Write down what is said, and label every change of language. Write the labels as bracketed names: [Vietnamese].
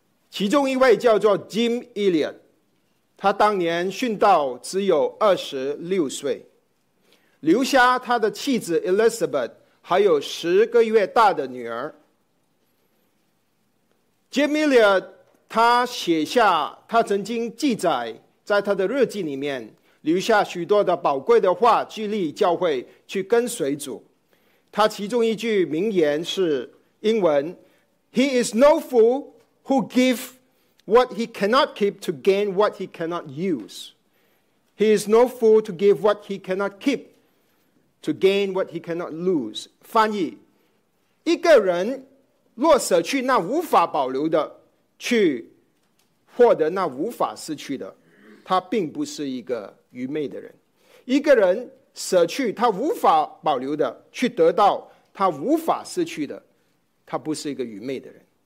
[Chinese] 其中一位叫做 Jim Elliot，他当年殉道只有26岁，留下他的妻子 Elizabeth 还有10个月大的女儿。 Jamilia 他写下，他曾经记载在他的日记里面留下许多的宝贵的话，激励教会去跟随主。他其中一句名言是英文 [English] He is no fool who giveWhat he cannot keep to gain what he cannot use. He is no fool to give what he cannot keep to gain what he cannot lose. [Chinese] 翻译，一个人若舍去那无法保留的，去获得那无法失去的，他并不是一个愚昧的人。一个人舍去他无法保留的，去得到他无法失去的，他不是一个愚昧的人。